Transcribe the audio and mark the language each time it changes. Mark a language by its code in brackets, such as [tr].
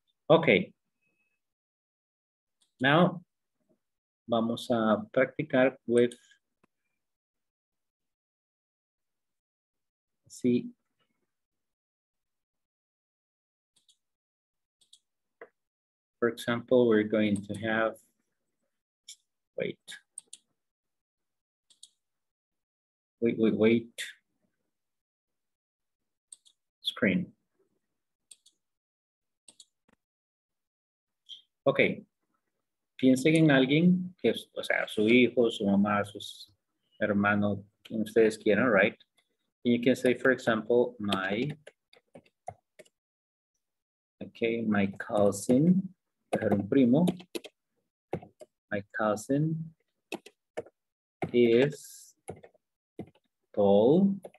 [en] Okay, now [es] vamos a practicar [en] with, see, for example, we're going to have, wait, screen. [es] Okay, piensen en alguien, que, o sea, su hijo, su mamá, su hermano, quien ustedes quieran, right? [en] And you can say, for example, my cousin, [es] un primo, [en] my cousin is tall,